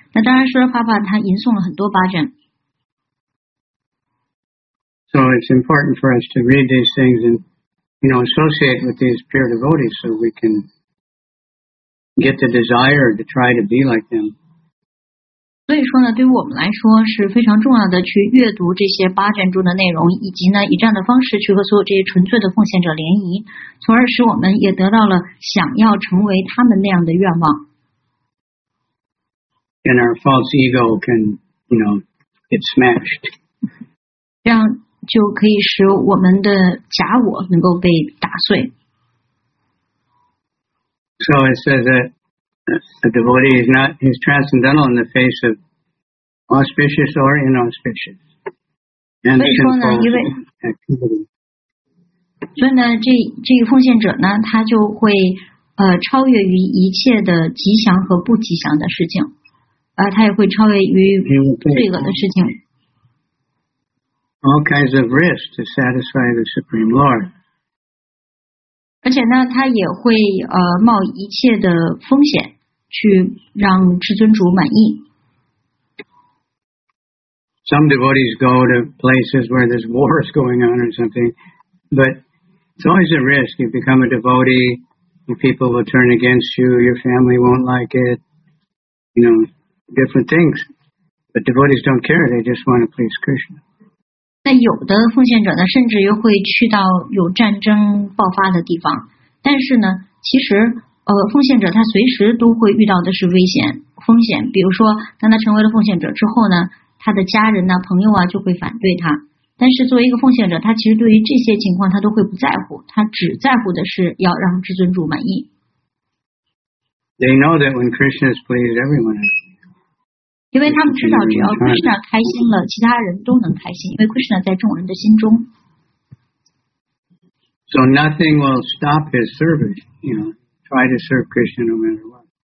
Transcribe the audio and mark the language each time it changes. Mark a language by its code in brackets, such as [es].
[zh] 那当然 Srila Prabhupada 他吟诵了很多 bhajan. [en] So it's important for us to read these things and, you know, associate with these pure devotees so we can... get the desire to try to be like them. [zh] 所以说呢对于我们来说是非常重要的去阅读这些八卷中的内容以及呢以这样的方式去和所有这些纯粹的奉献者联谊从而使我们也得到了想要成为他们那样的愿望。 [en] And our false ego can, you know, get smashed. [zh] 这样就可以使我们的假我能够被打碎。 [en] So it says that a devotee is not, he's transcendental in the face of auspicious or inauspicious. And so, so, this [zh] 奉献者呢他就会、超越于一切的吉祥和不吉祥的事情、他也会超越于罪恶的事情。 [en] All kinds of risks to satisfy the Supreme Lord. [zh] 而且呢他也会、冒一切的风险去让至尊主满意。 [en] Some devotees go to places where there's wars going on or something, but it's always a risk. You become a devotee, the people will turn against you, your family won't like it, you know, different things. But devotees don't care, they just want to please Krishna. [zh] 那有的奉献者呢甚至又会去到有战争爆发的地方但是呢其实奉献者他随时都会遇到的是危险风险比如说当他成为了奉献者之后呢他的家人呢朋友啊就会反对他但是作为一个奉献者他其实对于这些情况他都会不在乎他只在乎的是要让至尊主满意 [en] They know that when Krishna is pleased everyone is. [zh] 因为他们知道只要 Krishna 开心了其他人都能开心因为 Krishna 在众人的心中。 [en] So nothing will stop his service, you know, try to serve Krishna no matter what.